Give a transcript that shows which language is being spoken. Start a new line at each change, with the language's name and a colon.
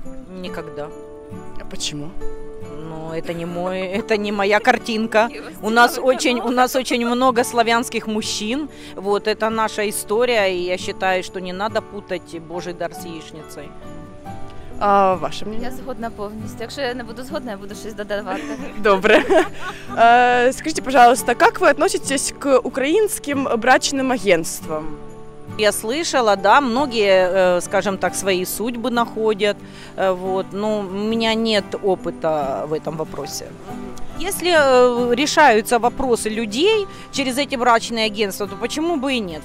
Russian: Никогда. А почему? Это не моя картинка. У нас очень много славянских мужчин. Вот это наша история, и я считаю, что не надо путать Божий дар с яичницей. А ваше мнение?
Ukrainian: Я згодна повністю. Якщо я не буду згодна, я буду щось додавати. Добре.
Russian: Скажите, пожалуйста, как вы относитесь к украинским брачным агентствам? Я слышала, да, многие, скажем так, свои судьбы находят, вот, но у меня нет опыта в этом вопросе. Если решаются вопросы людей через эти брачные агентства, то почему бы и нет?